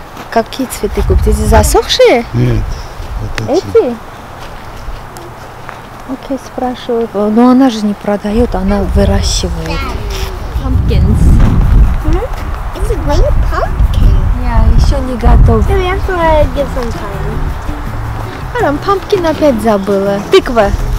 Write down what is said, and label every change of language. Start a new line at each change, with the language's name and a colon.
Russian: Какие цветы купить? Эти засохшие? Нет. Вот эти? Окей, спрашивают. Но она же не продает, она выращивает.
English: Pumpkins. Is it green pumpkin?
Russian: Yeah, еще не готов.
English: So we have to give some time.
Russian: А там pumpkin опять забыла. Тыква.